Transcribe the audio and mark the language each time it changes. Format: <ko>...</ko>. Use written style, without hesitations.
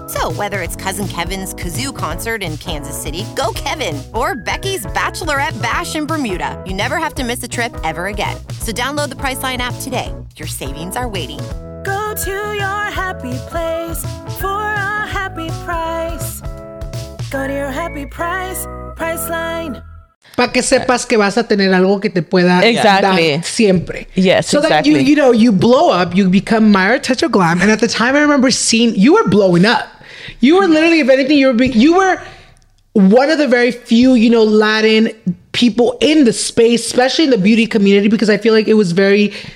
<en>So whether it's Cousin Kevin's Kazoo Concert in Kansas City, go Kevin! Or Becky's Bachelorette Bash in Bermuda, you never have to miss a trip ever again. So download the Priceline app today. Your savings are waiting. Go to your happy place for a happy price. Go to your happy price, Priceline.</en> <es>Para que sepas que vas a tener algo que te pueda dar siempre.</es> <en>Yes, so exactly. So that, you know, you blow up, you become Myra Touch of Glam. And at the time, I remember seeing, you were blowing up. You were literally, if anything, you were one of the very few, you know, Latin people in the space, especially in the beauty community, because I feel like it was very...</en>